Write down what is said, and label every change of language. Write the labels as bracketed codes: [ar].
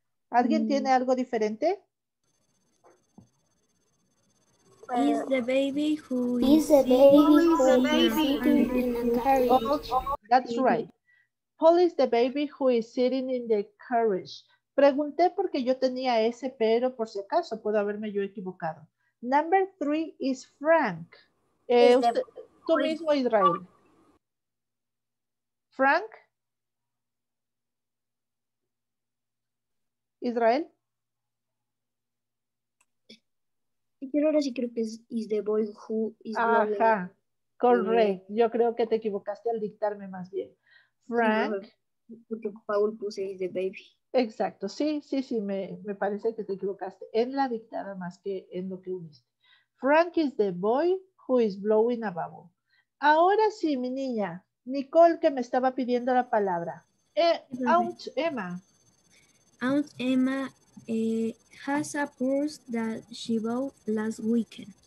[es] ¿Alguien tiene algo diferente? [en] Is the baby who is the baby who is sitting in the carriage. That's right. Paul is the baby who is sitting in the carriage. [es] Pregunté porque yo tenía ese, pero por si acaso puedo haberme yo equivocado. [en] Number three is Frank. [es] Tú mismo, [en] Israel. Frank. Israel. [es] Pero ahora sí creo que es [en] the boy who is [es] ajá, the... correcto. Yo creo que te equivocaste al dictarme más bien. Frank. Porque Paul puse [en] is the baby. [es] Exacto, sí, me parece que te equivocaste en la dictada más que en lo que uniste. [en] Frank is the boy who is blowing a bubble. [es] Ahora sí, mi niña, Nicole, que me estaba pidiendo la palabra. [en] Aunt Emma. Aunt Emma has a purse that she bought last weekend.